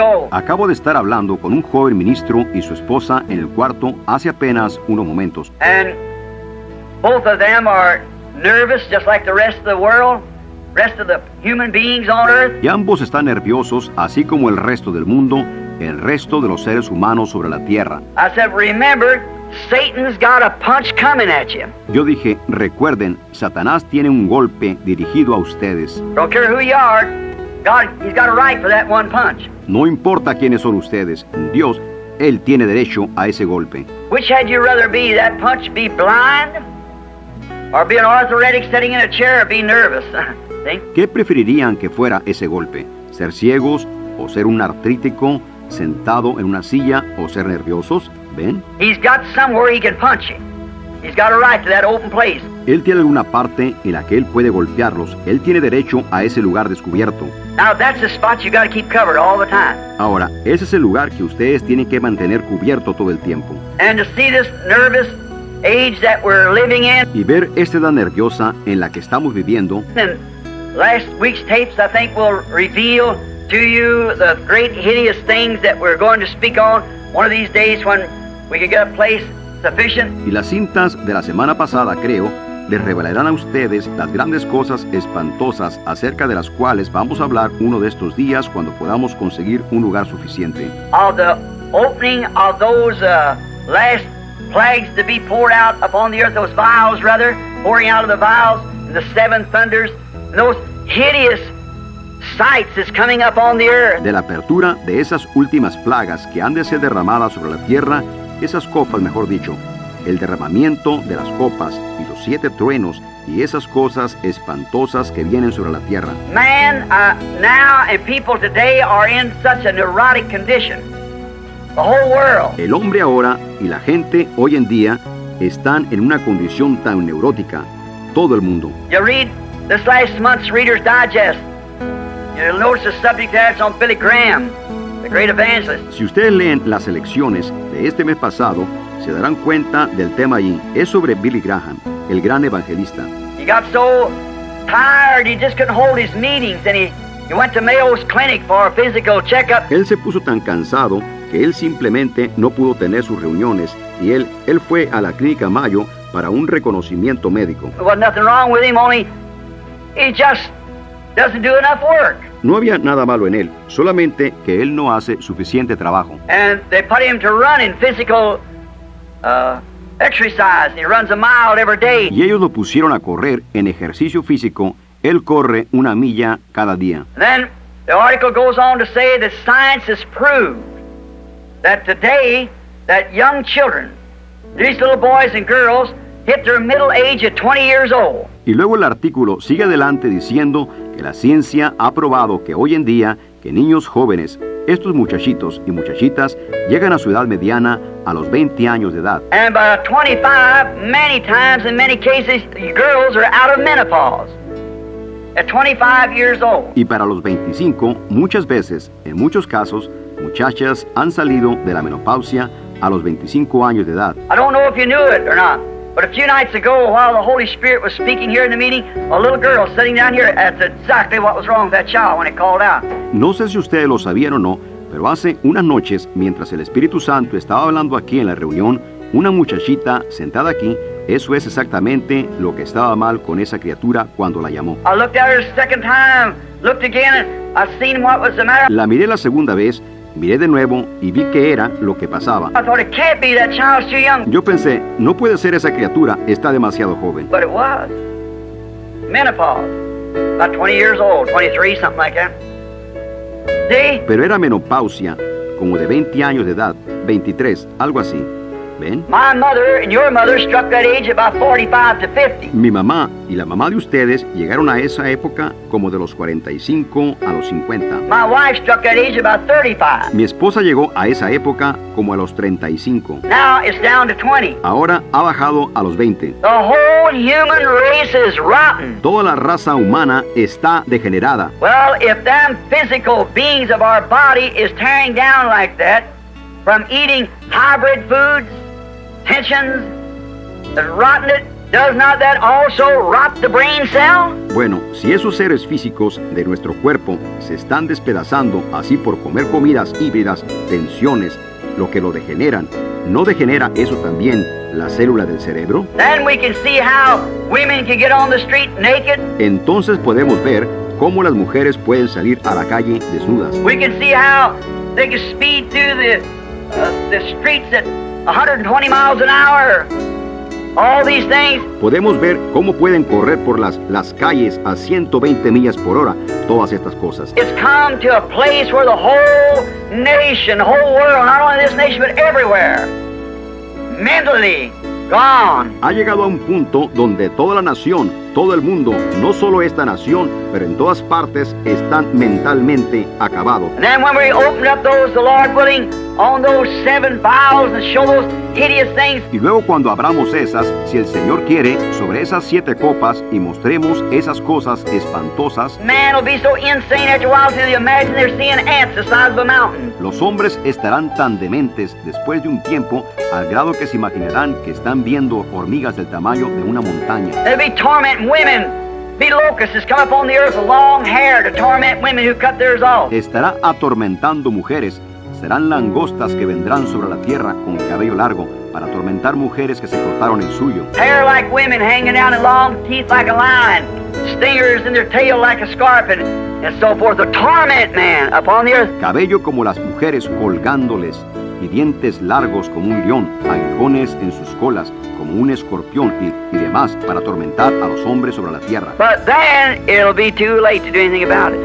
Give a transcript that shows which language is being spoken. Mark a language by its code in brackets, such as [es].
[es] Acabo de estar hablando con un joven ministro y su esposa en el cuarto hace apenas unos momentos. [en] And both of them are nervous, just like the rest of the world, rest of the human beings on earth. [es] Y ambos están nerviosos, así como el resto del mundo, el resto de los seres humanos sobre la tierra. [en] I said, remember, Satan's got a punch coming at you. [es] Yo dije, recuerden, Satanás tiene un golpe dirigido a ustedes. [en] Don't care who you are, God, he's got a right for that one punch. [es] No importa quiénes son ustedes, Dios, él tiene derecho a ese golpe. [en] Which had you rather be, that punch be blind, or be an arthritic sitting in a chair, or be nervous? [es] ¿Qué preferirían que fuera ese golpe, ser ciegos o ser un artrítico sentado en una silla o ser nerviosos? ¿Ven? [en] He's got somewhere he can punch him. He's got a right to that open place. [es] Él tiene alguna parte en la que él puede golpearlos. Él tiene derecho a ese lugar descubierto. [en] Now that's the spot you got to keep covered all the time. [es] Ahora, ese es el lugar que ustedes tienen que mantener cubierto todo el tiempo. [en] And to see this nervous age that we're living in. [es] Y ver esta edad nerviosa en la que estamos viviendo. [en] And last week's tapes, I think, will reveal to you the great hideous things that we're going to speak on. One of these days when we can get a place sufficient. [es] Y las cintas de la semana pasada, creo, les revelarán a ustedes las grandes cosas espantosas acerca de las cuales vamos a hablar uno de estos días cuando podamos conseguir un lugar suficiente. [en] Of the opening of those last plagues to be poured out upon the earth, those vials rather, pouring out of the vials, and the seven thunders, and those hideous sights is coming up on the earth. [es] De la apertura de esas últimas plagas que han de ser derramadas sobre la tierra, esas copas, mejor dicho, el derramamiento de las copas y los siete truenos y esas cosas espantosas que vienen sobre la tierra. [en] Man, now and people today are in such a neurotic condition. The whole world. [es] El hombre ahora y la gente hoy en día están en una condición tan neurótica. Todo el mundo. [en] You read this last month's Reader's Digest. You'll notice the subject that's on Billy Graham, the great evangelist. [es] Si ustedes leen las elecciones de este mes pasado, se darán cuenta del tema allí. Es sobre Billy Graham, el gran evangelista. [en] He got so tired he just couldn't hold his meetings, and he went to Mayo's Clinic for a physical checkup. [es] Él se puso tan cansado que él simplemente no pudo tener sus reuniones, y él fue a la clínica Mayo para un reconocimiento médico. [en] There was nothing wrong with him, only he just doesn't do enough work. [es] No había nada malo en él, solamente que él no hace suficiente trabajo. [en] And they put him to run in physical exercise. He runs a mile every day. [es] Y ellos lo pusieron a correr en ejercicio físico. Él corre una milla cada día. [en] And then the article goes on to say that science has proved that today that young children, these little boys and girls, hit their middle age at 20 years old. [es] Y luego el artículo sigue adelante diciendo que la ciencia ha probado que hoy en día que niños jóvenes, estos muchachitos y muchachitas, llegan a su edad mediana a los 20 años de edad. [en] And by 25, many times in many cases, girls are out of menopause. At 25 years old. [es] Y para los 25, muchas veces, en muchos casos, muchachas han salido de la menopausia a los 25 años de edad. [en] I don't know if you knew it or not, but a few nights ago, while the Holy Spirit was speaking here in the meeting, a little girl sitting down here, that's exactly what was wrong with that child when it called out. [es] No sé si ustedes lo sabían o no, pero hace unas noches, mientras el Espíritu Santo estaba hablando aquí en la reunión, una muchachita sentada aquí, eso es exactamente lo que estaba mal con esa criatura cuando la llamó. [en] I looked at her a second time, looked again, and I seen what was the matter. [es] La miré la segunda vez, miré de nuevo y vi qué era lo que pasaba. [en] I thought, it can't be, that child's too young. [es] Yo pensé, no puede ser esa criatura, está demasiado joven. [en] But it was. Menopause. About 20 years old, 23, something like that. See? [es] Pero era menopausia, como de 20 años de edad, 23, algo así. [en] My mother and your mother struck that age about 45 to 50. [es] Mi mamá y la mamá de ustedes llegaron a esa época como de los 45 a los 50. [en] My wife struck that age about 35. [es] Mi esposa llegó a esa época como a los 35. [en] Now it's down to 20. [es] Ahora ha bajado a los 20. [en] The whole human race is rotten. [es] Toda la raza humana está degenerada. [en] Well, if them physical beings of our body is tearing down like that, from eating hybrid foods, tensions, that rotten it, does not that also rot the brain cell? [es] Bueno, si esos seres físicos de nuestro cuerpo se están despedazando así por comer comidas híbridas, tensiones, lo que lo degeneran, ¿no degenera eso también la célula del cerebro? [en] Then we can see how women can get on the street naked. [es] Entonces podemos ver cómo las mujeres pueden salir a la calle desnudas. [en] We can see how they can speed through the streets at 120 miles an hour. All these things. [es] Podemos ver cómo pueden correr por las calles a 120 millas por hora. Todas estas cosas. [en] It's come to a place where the whole nation, the whole world, not only this nation but everywhere, mentally gone. [es] Ha llegado a un punto donde toda la nación, todo el mundo, no solo esta nación, pero en todas partes, están mentalmente acabados. [en] And then when we open up those, the Lord willing, on those seven vials and show those hideous things. [es] Y luego cuando abramos esas, si el Señor quiere, sobre esas siete copas y mostremos esas cosas espantosas. [en] Man will be so insane after a while till you imagine they're seeing ants the size of a mountain. [es] Los hombres estarán tan dementes después de un tiempo al grado que se imaginarán que están viendo hormigas del tamaño de una montaña. [en] They'll be tormenting women. Be locusts has come upon the earth with long hair to torment women who cut theirs off. [es] Estará atormentando mujeres. Serán langostas que vendrán sobre la tierra con cabello largo para atormentar mujeres que se cortaron el suyo. [en] Hair like women hanging out in long teeth like a lion, stingers in their tail like a scorpion, and so forth. A torment man upon the earth. [es] Cabello como las mujeres colgándoles y dientes largos como un león, aguijones en sus colas como un escorpión y demás para atormentar a los hombres sobre la tierra. [en] But then it'll be too late to do anything about it.